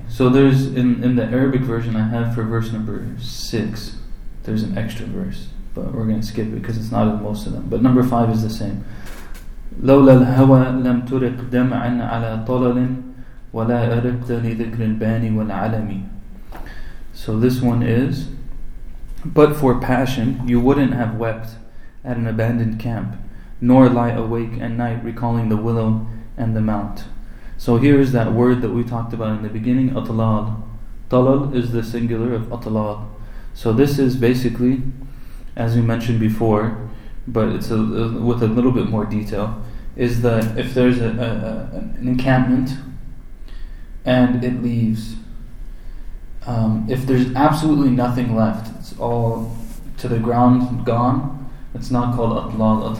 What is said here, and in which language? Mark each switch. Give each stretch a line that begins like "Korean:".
English: So there's in the Arabic version I have for verse number 6, there's an extra verse, but we're going to skip it because it's not in most of them. But number 5 is the same.
Arabic: لولا الهوى لم ترق دمعا على طلل ولا أردت لذكر الباني والعلمي.
English: So this one is, but for passion, you wouldn't have wept at an abandoned camp, nor lie awake at night recalling the willow and the mount. So here is that word that we talked about in the beginning, atlal. Talal is the singular of atlal. So this is basically, as we mentioned before, but it's with a little bit more detail, is that if there's an encampment and it leaves, if there's absolutely nothing left, it's all to the ground, gone, it's not called atlal.